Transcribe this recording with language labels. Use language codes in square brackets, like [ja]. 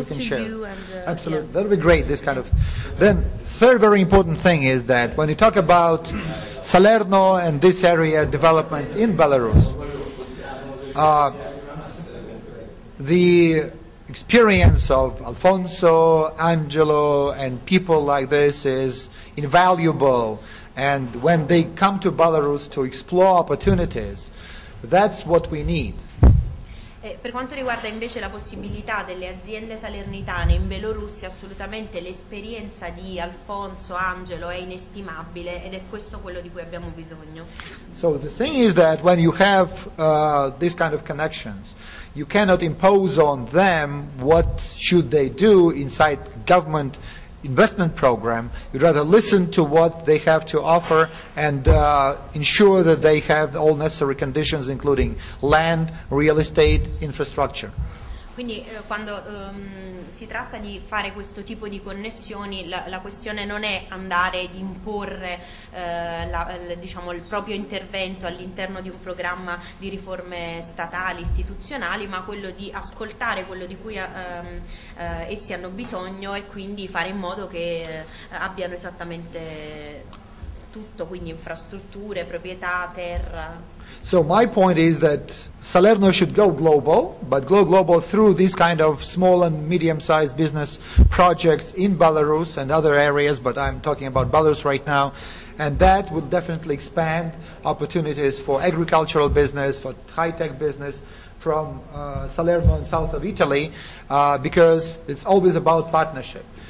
[en] Absolutely, that would be great, this kind of... Then, third very important thing is that when you talk about Salerno and this area development in Belarus, the experience of Alfonso, Angelo, and people like this is invaluable. And when they come to Belarus to explore opportunities, that's what we need. [it] Per quanto riguarda invece la possibilità delle aziende salernitane in Bielorussia, assolutamente l'esperienza di Alfonso, Angelo è inestimabile ed è questo quello di cui abbiamo bisogno. [en] So the thing is that when you have these kind of connections, you cannot impose on them what should they do inside government investment program. You'd rather listen to what they have to offer and ensure that they have all necessary conditions, including land, real estate, infrastructure. [it] Quindi quando si tratta di fare questo tipo di connessioni, la questione non è andare ad imporre il proprio intervento all'interno di un programma di riforme statali, istituzionali, ma quello di ascoltare quello di cui essi hanno bisogno e quindi fare in modo che abbiano esattamente tutto, quindi infrastrutture, proprietà, terra. [en] So my point is that Salerno should go global, but go global through these kind of small and medium-sized business projects in Belarus and other areas, but I'm talking about Belarus right now, and that will definitely expand opportunities for agricultural business, for high-tech business from Salerno and south of Italy, because it's always about partnership.